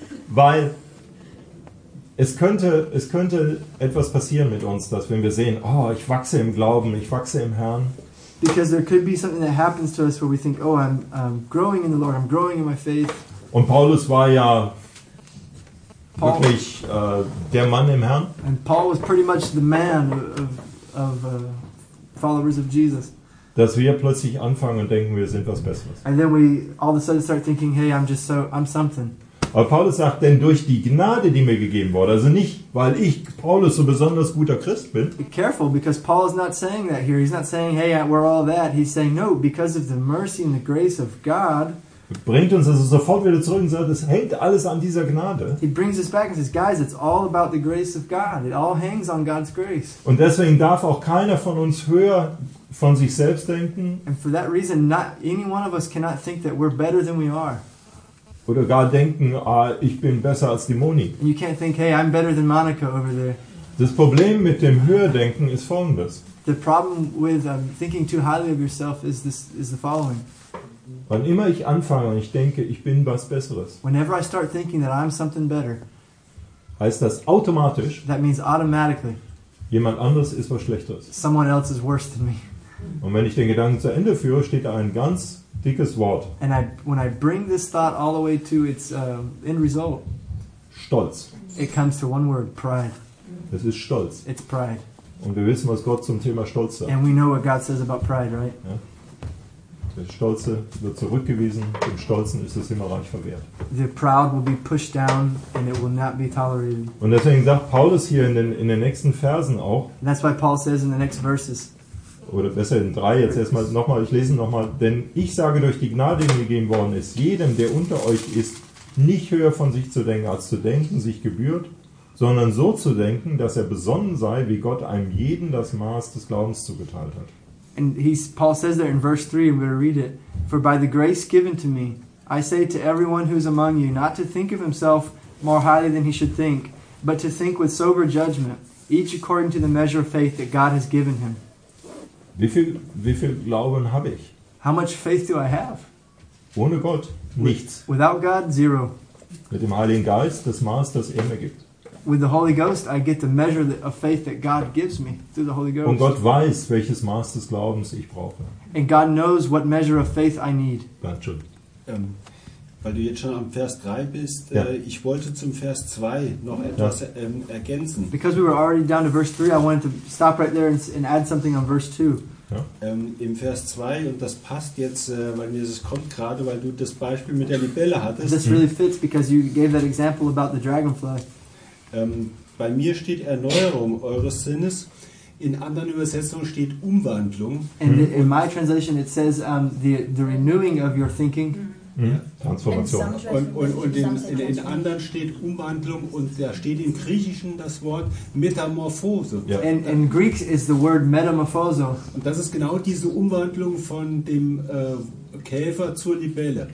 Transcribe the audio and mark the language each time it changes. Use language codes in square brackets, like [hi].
[de] Weil es könnte etwas passieren mit uns, dass wenn wir sehen, oh, ich wachse im Glauben, ich wachse im Herrn. [en] Because there could be something that happens to us where we think, oh, I'm growing in the Lord, I'm growing in my faith. [de] Und Paulus war ja wirklich der Mann im Herrn. [en] And Paul was pretty much the man of followers of Jesus. [de] Dass wir plötzlich anfangen und denken, wir sind was Besseres. [en] And then we all of a sudden start thinking, hey, I'm something. [de] Aber Paulus sagt, denn durch die Gnade, die mir gegeben wurde, also nicht, weil ich Paulus so besonders guter Christ bin. [en] Be careful, because Paul is not saying that here. He's not saying, hey, we're all that. He's saying, no, because of the mercy and the grace of God. [de] Bringt uns also sofort wieder zurück und sagt, es hängt alles an dieser Gnade. [en] He brings us back and says, guys, it's all about the grace of God. It all hangs on God's grace. [de] Und deswegen darf auch keiner von uns höher von sich selbst denken. [en] And for that reason, not any one of us cannot think that we're better than we are. [de] Oder gar denken, ah, ich bin besser als die Moni. [en] And you can't think, hey, I'm better than Monica over there. [de] Das Problem mit dem Höherdenken ist folgendes. [en] The problem with thinking too highly of yourself is the following. [de] Wann immer ich anfange und ich denke, ich bin was Besseres, [en] whenever I start thinking that I'm something better, [de] heißt das automatisch, [en] that means automatically, [de] jemand anderes ist was Schlechteres. [en] Someone else is worse than me. [de] Und wenn ich den Gedanken zu Ende führe, steht da ein ganz dickes Wort. [en] And when I bring this thought all the way to its end result, [de] Stolz. [en] It comes to one word, pride. [de] Es ist Stolz. [en] It's pride. [de] Und wir wissen, was Gott zum Thema Stolz sagt. [en] And we know what God says about pride, right? [de] Ja. Der Stolze wird zurückgewiesen, dem Stolzen ist das Himmelreich verwehrt. [en] The proud will be pushed down and it will not be tolerated. [de] Und deswegen sagt Paulus hier in den nächsten Versen auch. [en] That's why Paul says in the next verses. [de] oder besser in 3 jetzt erstmal nochmal, ich lese nochmal, denn ich sage durch die Gnade, die mir gegeben worden ist, jedem, der unter euch ist, nicht höher von sich zu denken, als zu denken, sich gebührt, sondern so zu denken, dass er besonnen sei, wie Gott einem jeden das Maß des Glaubens zugeteilt hat. [en] And Paul says there in verse 3, I'm going to read it. For by the grace given to me, I say to everyone who is among you, not to think of himself more highly than he should think, but to think with sober judgment, each according to the measure of faith that God has given him. [de] Wie viel Glauben habe ich? [en] How much faith do I have? [de] Ohne Gott, nichts. [en] Without God, zero. [de] Mit dem Heiligen Geist, das Maß, das er mir gibt. [en] With the Holy Ghost, I get the measure of faith that God gives me through the Holy Ghost. [de] Und Gott weiß, welches Maß des Glaubens ich brauche. [en] And God knows what measure of faith I need. [de] Ganz schön. Weil du jetzt schon am Vers 3 bist, ja. Ich wollte zum Vers 2 noch etwas ergänzen. [en] Because we were already down to verse 3, I wanted to stop right there and add something on verse 2. [de] Ja. Im Vers 2, und das passt jetzt, weil mir das kommt gerade, weil du das Beispiel mit der Libelle hattest. [en] This really fits because you gave that example about the dragonfly. [de] Bei mir steht Erneuerung eures Sinnes. In anderen Übersetzungen steht Umwandlung. [en] And in my translation it says the renewing of your thinking. Transformation. [de] Und in anderen steht Umwandlung, und da steht im Griechischen das Wort Metamorphose. [en] Yeah. And in Greek is the word metamorphoso. [de] Und das ist genau diese Umwandlung von dem Käfer zur Libelle.